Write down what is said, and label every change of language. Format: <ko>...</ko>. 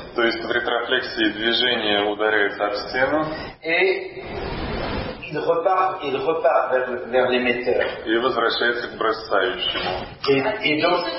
<ru>То есть в ретрофлексии движение ударяется об стену.</ru> <fr>Et il repart vers l'émetteur.</fr> <ru>И возвращается к бросающему.</ru>